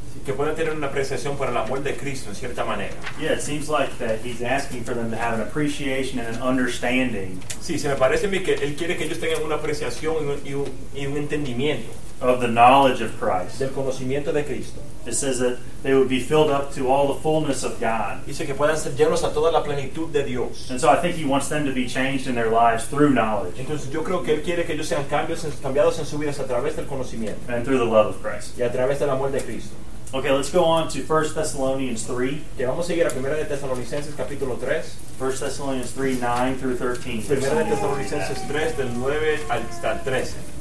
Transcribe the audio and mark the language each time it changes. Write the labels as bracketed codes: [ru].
[es] Que pueda tener una apreciación por el amor de Cristo en cierta manera. [en] Yeah, it seems like that he's asking for them to have an appreciation and an understanding. [es] Sí, se me parece a mí que él quiere que ellos tengan una apreciación y un entendimiento. [en] Of the knowledge of Christ. [es] Del conocimiento de Cristo. [en] It says that they would be filled up to all the fullness of God. [es] Dice que puedan ser llenos a toda la plenitud de Dios. [en] And so I think he wants them to be changed in their lives through knowledge. [es] Entonces yo creo que él quiere que ellos sean cambiados en sus vidas a través del conocimiento. [en] And through the love of Christ. [es] Y a través del amor de Cristo. [en] Okay, let's go on to 1 Thessalonians 3. [es] Okay, vamos a seguir a Primera de Tesalonicenses capítulo 3. [en] 1 Thessalonians 3, 9 through 13. [es] Primera de Tesalonicenses 3, del 9 hasta el 13.